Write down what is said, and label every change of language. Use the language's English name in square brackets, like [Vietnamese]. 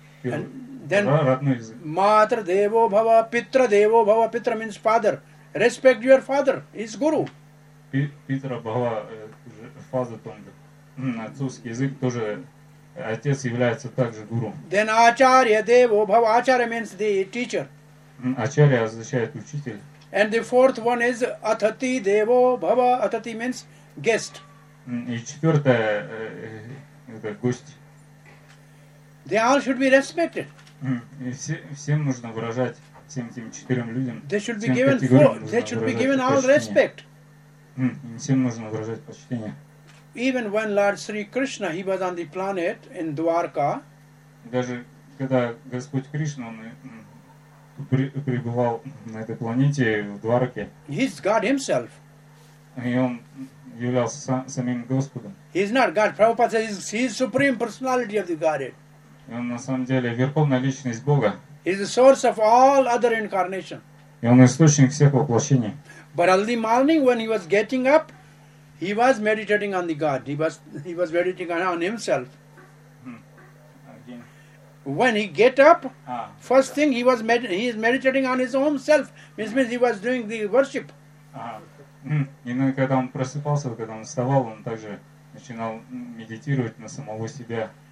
[Sanskrit] Matra Devo Bhava, Pitra Devo Bhava, Pitra [English] means father. Respect your father, he's guru. Pitra Bhava, father tongue. [Russian] Отцовский язык тоже, отец является также гуру. [English] Then Acharya Devo Bhava, Acharya means the teacher. [Russian] Acharya означает учитель. [English] And the fourth one is Atati Devo Bhava, Atati means guest. [Russian] И четвертое, это гость. [English] They all should be respected. [Russian] Всем нужно выражать всем этим четырем людям. [English] They should be given all respect. [Russian] Всем нужно выражать почтение. [English] Even when Lord Sri Krishna he was on the planet in Dwarka. [Russian] Даже когда Господь Кришна он пребывал на этой планете в Дварке. [English] He's God himself. [Russian] И он являлся самим Господом. [English] He's not God. Prabhupada says he's supreme personality of the Godhead. [Russian] И он на самом деле верховная личность Бога. [English] He's the source of all other incarnation. [Russian] И он источник всех воплощений. [English] But all the morning when he was getting up, he was meditating on the God. He was meditating on himself. Again. When he get up, first thing he is meditating on his own self. This means he was doing the worship. [Russian] И когда он просыпался, когда он вставал, он также начинал медитировать на самого себя.